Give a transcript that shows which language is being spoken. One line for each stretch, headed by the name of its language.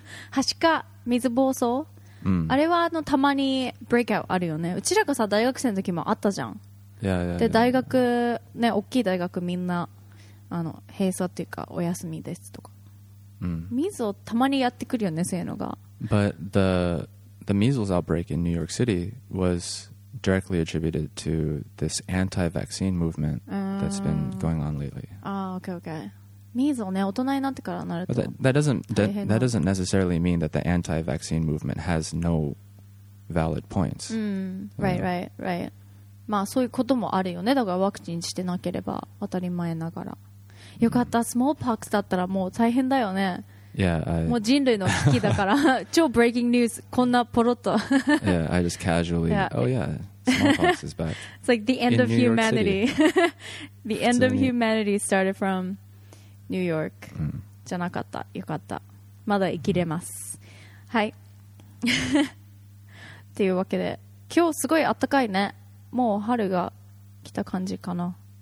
Japanese: はしか、水疱瘡、うん。あれはたまにブレイクアウトあるよね。うちらがさ、大学生の時もあったじゃん。いや。で、大学、ね、大きい大学みんな、閉鎖っていうか、お休みですとか。ミゾ、たまにやってくるよね、そういうのが。
English: But the measles outbreak in New York City was directly attributed to this anti-vaccine movement that's been going on lately. Ah, okay, okay.
Japanese: Measles, ね、大人になってからなると。
English: That doesn't necessarily mean that the anti-vaccine movement has no valid points. Right.
Japanese: まあそういうこともあるよね。だからワクチンしてなければ当たり前ながら。よかった。Smallpox だったらもう大変だよね。
English: Yeah,
Japanese: もう人類の危機だから超ブレイキングニュースこんなポロッと
English: Yeah, I just casually yeah. Oh yeah, smallpox is back. It's like the end of humanity. The end of humanity started from New York、
Japanese: うん、じゃなかった。よかった、まだ生きれます、うん、はい。っていうわけで今日すごい暖かいね。もう春が来た感じかな。